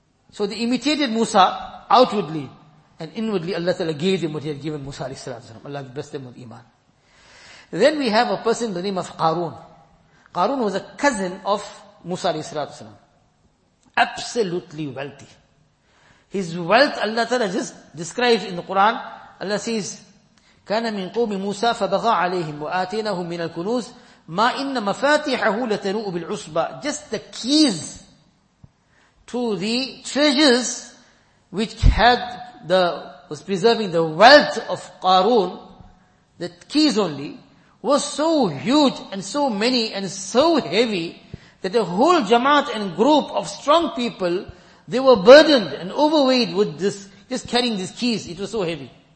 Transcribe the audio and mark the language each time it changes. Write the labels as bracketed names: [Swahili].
[English] So they imitated Musa outwardly, and inwardly Allah Ta'ala gave them what he had given Musa alayhi salatu salam. Allah blessed them with iman. Then we have a person by the name of Qarun. Qarun was a cousin of Musa alayhi salatu salam. Absolutely wealthy. His wealth Allah Ta'ala just describes in the Quran. Allah says, [Arabic] كَانَ مِنْ قُومِ مُوسَى فَبَغَى عَلَيْهِمْ وَآتَيْنَهُمْ مِنَ الْكُنُوزِ مَا إِنَّ مَفَاتِحَهُ لَتَنُوءُ بِالْعُصْبَةِ. [English] Just the keys to the treasures which had was preserving the wealth of Qarun, the keys only, was so huge and so many and so heavy that a whole jamaat and group of strong people, they were burdened and overweighed with this, just carrying these keys. It was so heavy.